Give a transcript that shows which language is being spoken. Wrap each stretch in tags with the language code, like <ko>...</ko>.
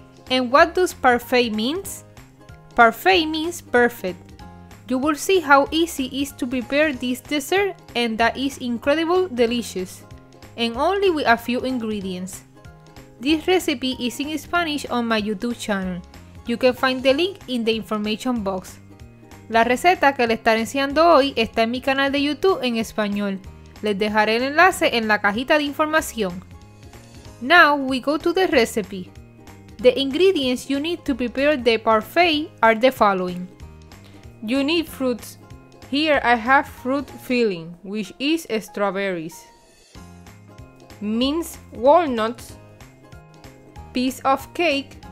<en>And what does parfait means? Parfait means perfect. You will see how easy it is to prepare this dessert and that is incredibly delicious. And only with a few ingredients. This recipe is in Spanish on my YouTube channel. You can find the link in the information box.</en> <es>La receta que le estaré enseñando hoy está en mi canal de YouTube en español. Les dejaré el enlace en la cajita de información.</es> <en>Now we go to the recipe. The ingredients you need to prepare the parfait are the following. You need fruits. Here I have fruit filling, which is strawberries. Minced walnuts. Piece of cake.</en>